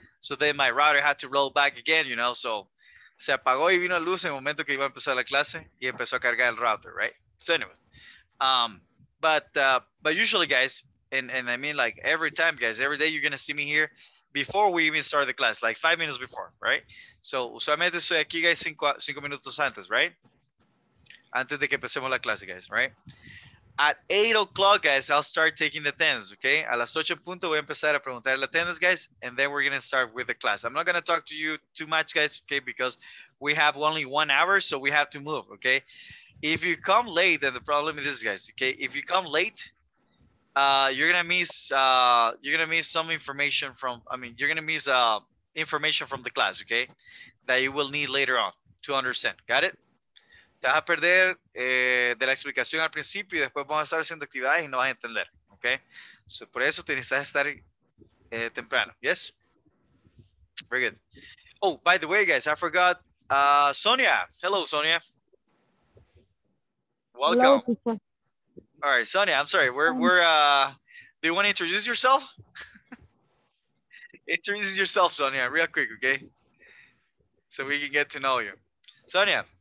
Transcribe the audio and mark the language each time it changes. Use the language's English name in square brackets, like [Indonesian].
[English] So then my router had to roll back again, you know, so [Spanish] se apagó y vino luz en el momento que iba a empezar la clase y empezó a cargar el router, right? [English] So anyway, but usually, guys, and I mean like every time, guys, every day you're going to see me here before we even start the class, like 5 minutes before, right? [Spanish] So usualmente estoy aquí, guys, cinco minutos antes, right? Antes de que empecemos la clase, guys, right? [English] At 8 o'clock, guys, I'll start taking the attendance, okay? [Spanish] A las 8 en punto voy a empezar a preguntar la attendance, [English] guys, and then we're going to start with the class. I'm not going to talk to you too much, guys, okay, because we have only 1 hour, so we have to move, okay? If you come late, then the problem is this, guys, okay? If you come late, you're going to miss some information from, I mean, you're going to miss information from the class, okay, that you will need later on to understand. Got it? [Spanish] Te vas a perder de la explicación al principio y después vamos a estar haciendo actividades y no vas a entender, ¿ok? So, por eso tienes que estar temprano, ¿yes? [English] Very good. Oh, by the way, guys, I forgot Sonia. Hello, Sonia. Welcome. Hello. All right, Sonia, I'm sorry. Do you want to introduce yourself? Introduce yourself, Sonia, real quick, okay? So we can get to know you. Sonia.